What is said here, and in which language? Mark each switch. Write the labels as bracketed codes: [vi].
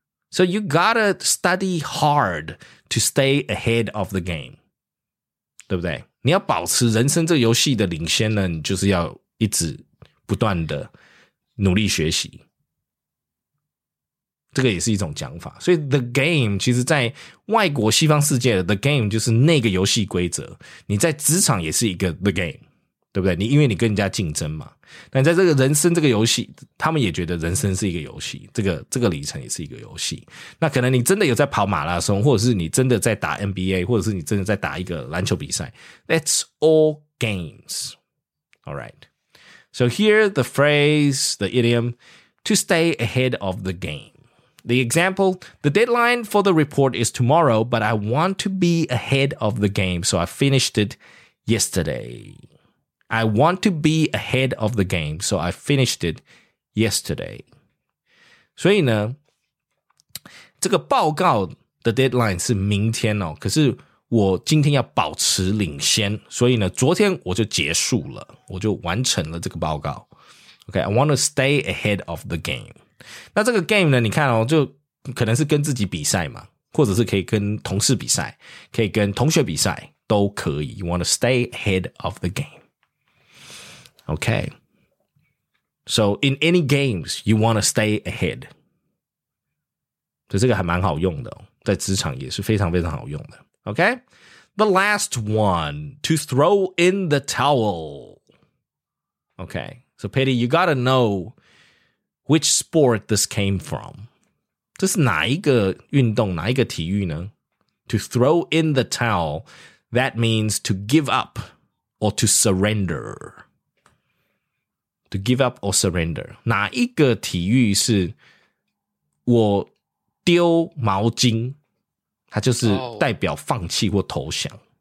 [en] So you gotta study hard to stay ahead of the game， [zh] 对不对？你要保持人生这个游戏的领先呢，你就是要一直不断的努力学习。这个也是一种讲法。所以 the game 其实在外国西方世界的 the game 就是那个游戏规则。你在职场也是一个 the game， 对不对？因为你跟人家竞争嘛。但在这个人生这个游戏，他们也觉得人生是一个游戏，这个里程也是一个游戏。那可能你真的有在跑马拉松，或者是你真的在打 NBA， 或者是你真的在打一个篮球比赛。 [en] That's all games. All right. So here the phrase, the idiom, to stay ahead of the game. The example, the deadline for the report is tomorrow, but I want to be ahead of the game, so I finished it yesterday. I want to be ahead of the game, so I finished it yesterday. [zh] 所以呢，这个报告的 deadline 是明天哦，可是我今天要保持领先，所以呢，昨天我就结束了，我就完成了这个报告。 [en] Okay, I want to stay ahead of the game. [zh] 那这个 game 呢，你看哦，就可能是跟自己比赛嘛，或者是可以跟同事比赛，可以跟同学比赛，都可以。 [en] You want to stay ahead of the game. Okay. So in any games, you want to stay ahead. [zh] 所以这个还蛮好用的，在职场也是非常非常好用的。 [en] Okay, the last one, to throw in the towel. Okay, so Petty, you gotta know which sport this came from. [zh] 这是哪一个运动，哪一个体育呢？ [en] To throw in the towel, that means to give up or to surrender. To give up or surrender. [zh] 哪一个体育是我丢毛巾？它就是代表放弃或投降。